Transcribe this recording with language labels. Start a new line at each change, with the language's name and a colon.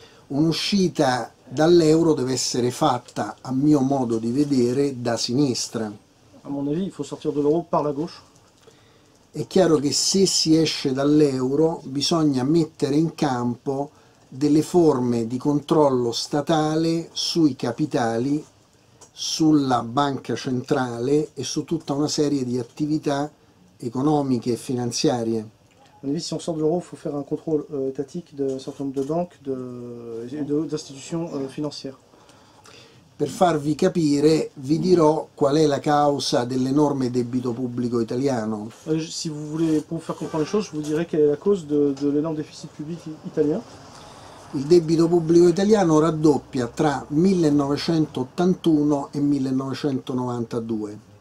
Italian: Un'uscita dall'euro deve essere fatta, a mio modo di vedere, da sinistra.
French: A mon avis, il faut sortir de l'euro par la gauche.
Italian: È chiaro che se si esce dall'euro bisogna mettere in campo delle forme di controllo statale sui capitali, sulla banca centrale e su tutta una serie di attività economiche e finanziarie.
French: Se on sort de l'euro, il faut faire un contrôle étatique de un certain nombre de banques
Italian: e di istituzioni finanziarie. Per farvi capire, vi dirò qual è la causa dell'enorme debito pubblico italiano.
French: Se vous voulez, pour faire comprendre les choses, je vous dirai quelle est la cause de l'énorme déficit public italien.
Italian: Il debito pubblico italiano raddoppia tra 1981 e 1992.